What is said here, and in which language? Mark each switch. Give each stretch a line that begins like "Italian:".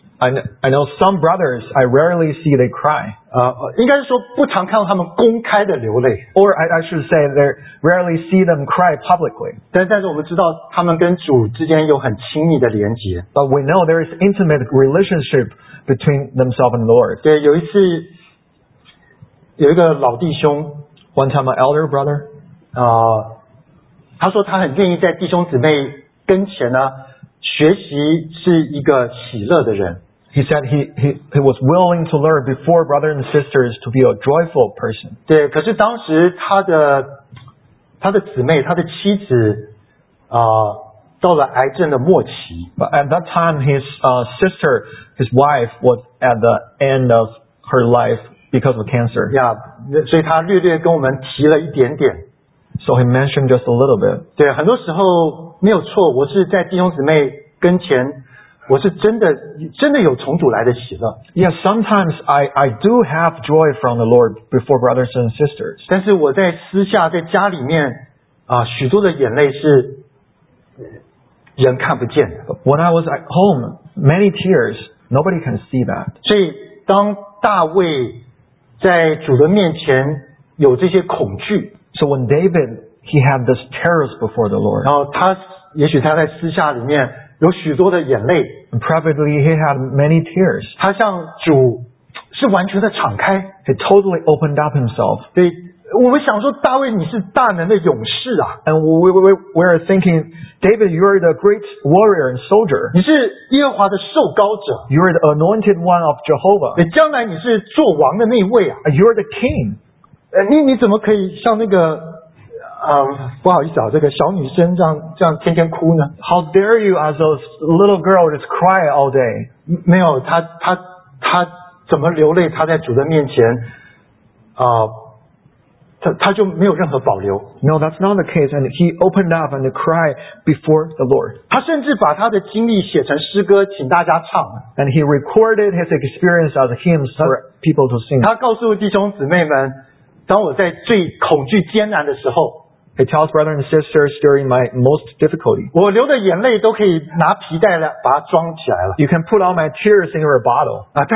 English: I know some brothers I rarely see they cry
Chinese: 应该是说不常看到他们公开的流泪
English: Or I should say they rarely see them cry publicly
Chinese: 但是我们知道他们跟主之间有很亲密的连结
English: But we know there is intimate relationship between themselves and the Lord
Chinese: 对有一次有一个老弟兄
English: One time an elder brother
Chinese: 他说他很愿意在弟兄姊妹跟前呢学习是一个喜乐的人
English: He said he was willing to learn before brothers and sisters to be a joyful person.
Chinese: 对，可是当时他的姊妹，他的妻子，到了癌症的末期。
English: But at that time, his sister, his wife was at the end of her life because of cancer.
Chinese: Yeah, 所以他略略跟我们提了一点点。
English: So he mentioned just a little bit.
Chinese: 对，很多时候没有错，我是在弟兄姊妹跟前，我是真的有重组来的喜乐。
English: Yeah, sometimes I do have joy from the Lord before brothers and sisters.
Chinese: 但是我在私下在家里面啊，许多的眼泪是人看不见的。
English: When I was at home, many tears, nobody can see that.
Chinese: 所以当大卫在主的面前有这些恐惧。
English: So when David, he had this terrors before the Lord.
Chinese: 然后他也许他在私下里面有许多的眼泪。
English: And privately, he had many tears.
Chinese: 他向主是完全的敞开。
English: He totally opened up himself.
Chinese: 对，我们想说大卫你是大能的勇士啊。
English: And we are thinking, David, you are the great warrior and soldier.
Chinese: 你是耶和华的受膏者。
English: You are the anointed one of Jehovah.
Chinese: 对，将来你是做王的那位啊。
English: You are the king.
Chinese: 你怎么可以像那个不好意思啊，这个小女生这样天天哭呢？
English: How dare you as a little girl just cry all day?
Chinese: 没有，她怎么流泪？她在主的面前她就没有任何保留。
English: No, that's not the case. And he opened up and cried before the Lord.
Chinese: 她甚至把她的经历写成诗歌，请大家唱。
English: And he recorded his experience as hymns for people to sing.
Chinese: 她告诉弟兄姊妹们。当我在最恐惧艰难的时候
English: He tells brothers and sisters during my most difficulty
Chinese: 我流的眼泪都可以拿皮带来把它装起来了
English: You can put all my tears in your bottle